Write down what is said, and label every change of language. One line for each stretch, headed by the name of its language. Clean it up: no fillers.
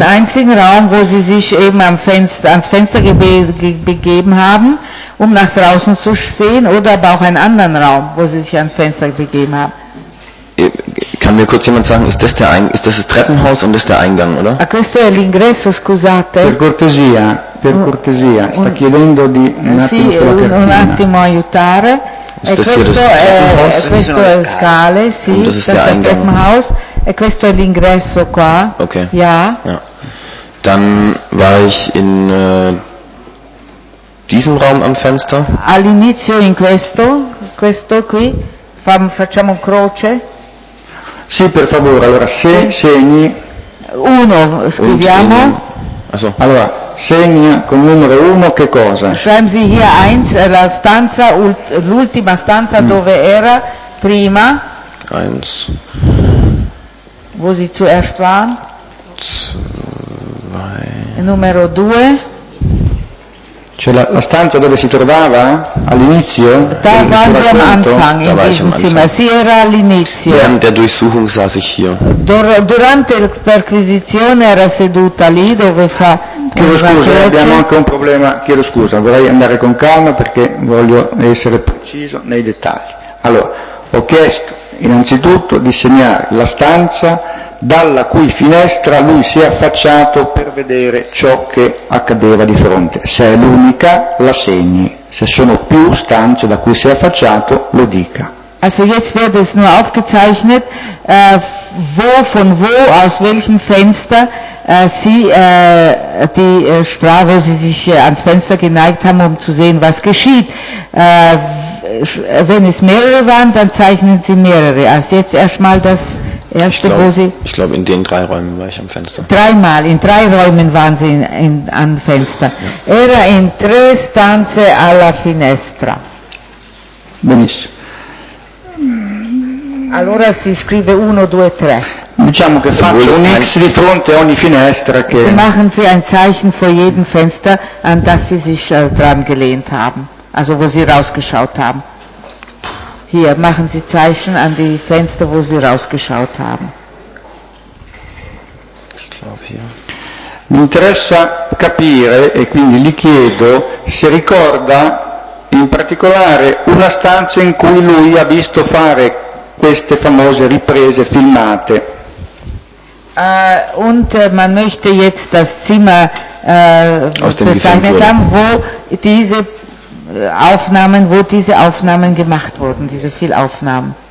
German: Den einzigen Raum, wo sie sich eben am Fenster, ans Fenster begeben haben, um nach draußen zu sehen, oder aber auch einen anderen Raum, wo sie sich ans Fenster begeben haben. Kann mir kurz jemand sagen, ist das der ist das, das Treppenhaus und ist der Eingang, oder?
Italian: A questo è l'ingresso, scusate. Per cortesia, sta chiedendo di un attimo sulla cartina. Un attimo aiutare.
German: Ist das hier das Treppenhaus?
Italian: Questo è scale, sì.
German: Und das ist der Eingang.
Italian: E questo è l'ingresso qua. Okay.
German: Ja. Ja. Dann war ich in diesem Raum am Fenster.
Italian: All'inizio in questo, questo qui. Facciamo croce? Sì, per favore, allora se segni uno, scriviamo. Allora, segna con numero uno che cosa?
German: Schreiben Sie hier eins,
Italian: la stanza, l'ultima stanza dove era prima.
German: Eins. Wo Sie zuerst waren. Zwei.
Italian: Numero due. Cioè la, la stanza dove si trovava all'inizio?
German: Da waren Sie am Anfang in diesem Zimmer.
Italian: Sie era all'inizio.
German: Während der Durchsuchung saß ich hier.
Italian: Durante la perquisizione era seduta lì dove fa. Chiedo scusa, abbiamo anche un problema. Chiedo scusa, vorrei andare con calma perché voglio essere preciso nei dettagli. Allora, ho chiesto innanzitutto di segnare la stanza dalla cui finestra lui si è affacciato per vedere ciò che accadeva di fronte. Se è l'unica, la segni. Se sono più stanze da cui si è affacciato, lo dica.
German: Also jetzt wird es nur aufgezeichnet, wo, von wo, aus welchem Fenster sie die Straße, wo sie sich ans Fenster geneigt haben, um zu sehen, was geschieht. Wenn es mehrere waren, dann zeichnen sie mehrere. Also jetzt erstmal das erste, wo sie. Ich glaube, in den drei Räumen war ich am Fenster. Dreimal, in drei Räumen waren sie in, am Fenster. Ja.
Italian: Era in tre stanze alla finestra. Benissimo. Allora si scrive 1, 2, 3. Diciamo che faccio un X di fronte a ogni finestra che.
German: Sie machen sie ein Zeichen vor jedem Fenster, an das sie sich dran gelehnt haben. Also wo sie rausgeschaut haben. Hier machen sie Zeichen an die Fenster, wo sie rausgeschaut haben. Ich glaube hier.
Italian: Mi interessa capire e quindi gli chiedo se ricorda in particolare una stanza in cui lui ha visto fare queste famose riprese filmate.
German: Und man möchte jetzt das Zimmer bezeichnet haben, wo diese Aufnahmen, wo diese Aufnahmen gemacht wurden, diese Filmaufnahmen.